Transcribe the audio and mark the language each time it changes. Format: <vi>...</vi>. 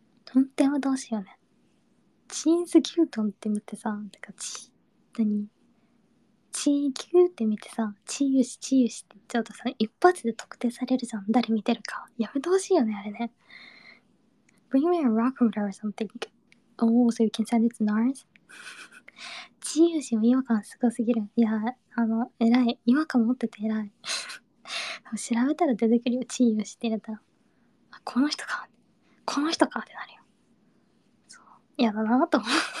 <ja>本当にやめてほしいよね。チーズ牛丼って見てさ、てかチー、何チー牛って見てさ、チーヨシチーヨシって言っちゃうとさ、一発で特定されるじゃん、誰見てるか。やめてほしいよね、あれね。</ja> <en>Bring me a rock or something. Oh, so you can send it to Nars?</en> <ja>チーユシも違和感すごすぎる。いや、あの、えらい。違和感持ってて偉い。調べたら出てくるよ、チーユシって入れたら。この人か。この人かってなるよ。そう。嫌だなぁと思う。</ja>